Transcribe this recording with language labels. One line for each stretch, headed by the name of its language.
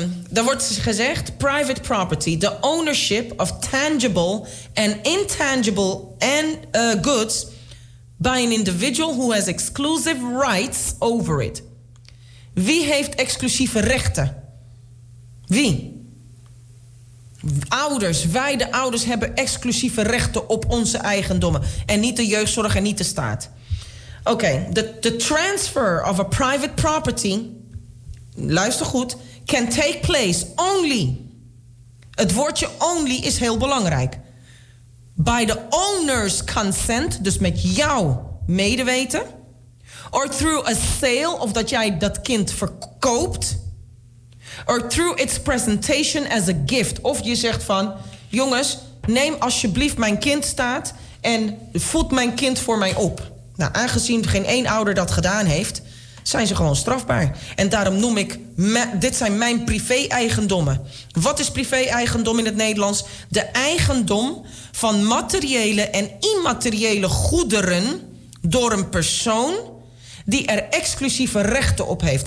Dutch: Daar wordt gezegd,
English: private property, the ownership of tangible and intangible and goods by an individual who has exclusive rights over it.
Dutch: Wie heeft exclusieve rechten? Wie? Ouders, wij de ouders hebben exclusieve rechten op onze eigendommen. En niet de jeugdzorg en niet de staat. Oké,
English: the transfer of a private property,
Dutch: luister goed,
English: can take place only.
Dutch: Het woordje only is heel belangrijk.
English: By the owner's consent,
Dutch: dus met jouw medeweten.
English: Or through a sale,
Dutch: of dat jij dat kind verkoopt.
English: Or through its presentation as a gift.
Dutch: Of je zegt van, jongens, neem alsjeblieft mijn kind staat en voed mijn kind voor mij op. Nou, aangezien geen één ouder dat gedaan heeft, zijn ze gewoon strafbaar. En daarom noem ik, dit zijn mijn privé-eigendommen. Wat is privé-eigendom in het Nederlands? De eigendom van materiële en immateriële goederen door een persoon die er exclusieve rechten op heeft.